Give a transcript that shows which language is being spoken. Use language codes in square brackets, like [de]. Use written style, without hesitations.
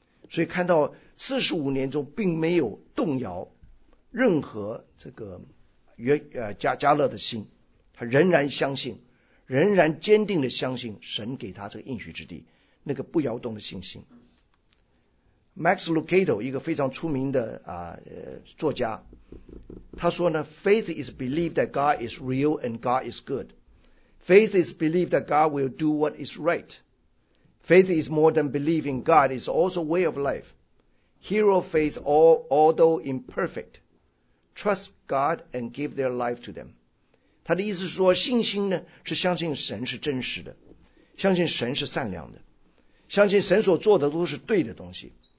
[zh] 所以看到45年中并没有动摇任何这个加勒的心，他仍然相信，仍然坚定的相信神给他这个应许之地，那个不摇动的信心。 [en] Max Lucado [zh] 一个非常出名的作家，他说呢 [en] ，Faith is belief that God is real and God is good. Faith is belief that God will do what is right. Faith is more than believing. God is also way of life. Hero faith, although imperfect, trust God and give their life to them. [zh] 他的意思是说，信心呢是相信神是真实的，相信神是善良的，相信神所做的都是对的东西。